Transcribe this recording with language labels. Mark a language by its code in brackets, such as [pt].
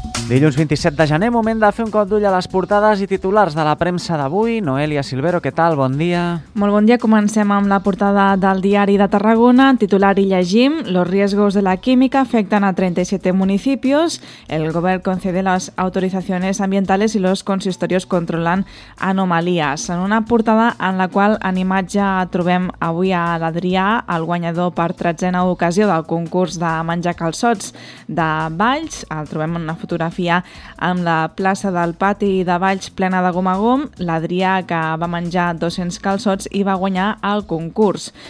[ca] Dilluns 27 de gener, moment de fer un cop d'ull a les portades i titulars de la premsa d'avui. Noelia Silvero, què tal? Bon dia. Molt bon dia. Comencem amb la portada del Diari de Tarragona. Titular i llegim. [es] Los riesgos de la química afecten a 37 municipios. El govern concede las autorizaciones ambientales y los consistorios controlan anomalías. [ca] En una portada en la qual en imatge trobem avui a l'Adrià, el guanyador per 13a ocasió del concurs de menjar calçots de Valls. El trobem en una fotografia amb la plaça del pati de Valls plena de gom a gom, l'Adrià, que va menjar 200 calçots i va guanyar el concurs.